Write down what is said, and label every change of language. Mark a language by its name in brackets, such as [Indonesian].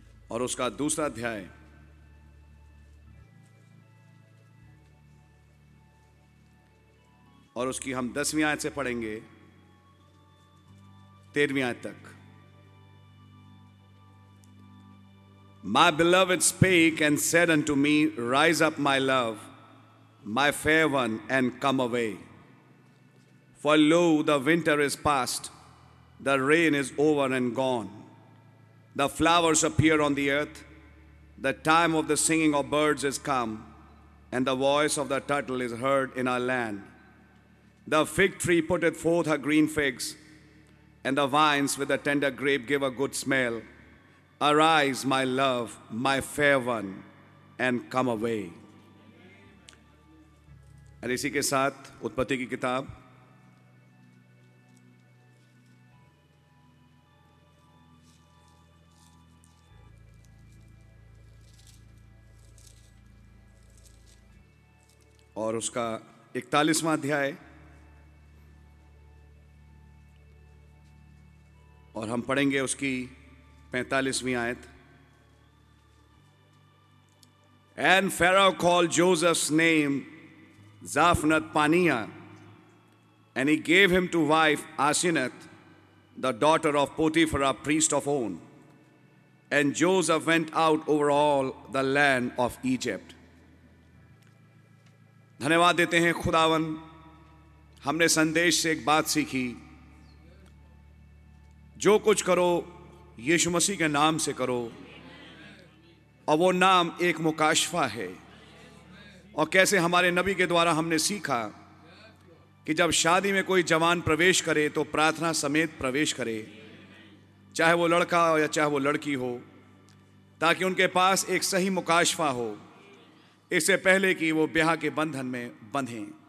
[Hindi] और उसका दूसरा अध्याय और उसकी हम 10वीं आयत से पढ़ेंगे 13वीं आयत तक। [English] My beloved spake and said unto me, Rise up, my love, my fair one, and come away. For lo, the winter is past, the rain is over and gone. The flowers appear on the earth, the time of the singing of birds is come, and the voice of the turtle is heard in our land. The fig tree putteth forth her green figs, and the vines with the tender grape give a good smell. Arise, my love, my fair one, and come away. And [Hindi] इसी के साथ उत्पत्ति की किताब और उसका 41वां अध्याय और हम पढ़ेंगे उसकी 45वीं आयत. [English] And Pharaoh called Joseph's name Zaphnath-Paniah, and he gave him to wife Asenath, the daughter of Potiphar, priest of On. And Joseph went out over all the land of Egypt. [Hindi] धन्यवाद देते हैं खुदावन. हमने संदेश से एक बात सीखी, जो कुछ करो यीशु मसीह के नाम से करो, और वो नाम एक मुकाशफा है. और कैसे हमारे नबी के द्वारा हमने सीखा कि जब शादी में कोई जवान प्रवेश करे तो प्रार्थना समेत प्रवेश करे, चाहे वो लड़का हो या चाहे वो लड़की हो, ताकि उनके पास एक सही मुकाशफा हो इससे पहले कि वो ब्याह के बंधन में बंधें.